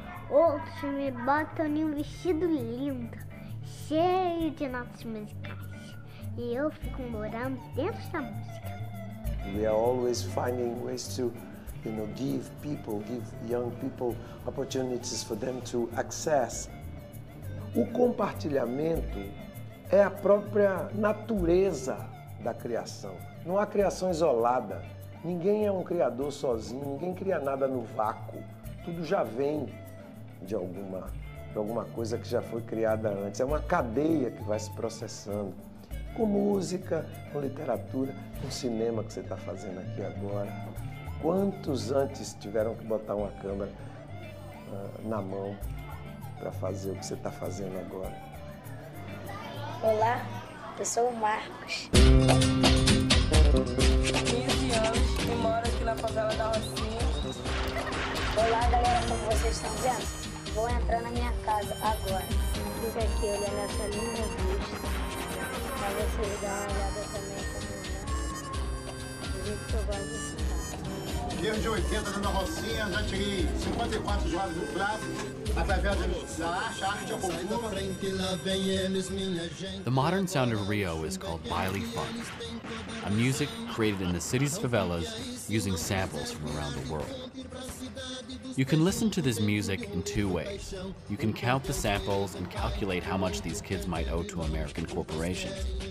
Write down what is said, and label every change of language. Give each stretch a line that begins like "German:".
Portuguese: Outros me botam em um vestido lindo, cheio de notas musicais, e eu fico morando dentro da música.
English: We are always finding ways to, you know, give people, give young people opportunities for them to access.
Portuguese: O compartilhamento é a própria natureza da criação. Não há criação isolada. Ninguém é um criador sozinho, ninguém cria nada no vácuo. Tudo já vem de alguma coisa que já foi criada antes. É uma cadeia que vai se processando com música, com literatura, com cinema que você está fazendo aqui agora. Quantos antes tiveram que botar uma câmera na mão para fazer o que você está fazendo agora? Olá, eu sou o Marcos. 15 anos e moro aqui na favela da Rocinha. Olá, galera, como vocês estão vendo? Vou entrar na minha casa agora. Fica aqui olhando essa linda vista. Pra vocês darem uma olhada também pra mim. Do jeito que eu gosto de ficar. Dia de 80 dentro da Rocinha, já tirei 54 joias do prato.
English: The modern sound of Rio is called baile funk, a music created in the city's favelas using samples from around the world. You can listen to this music in two ways. You can count the samples and calculate how much these kids might owe to American corporations.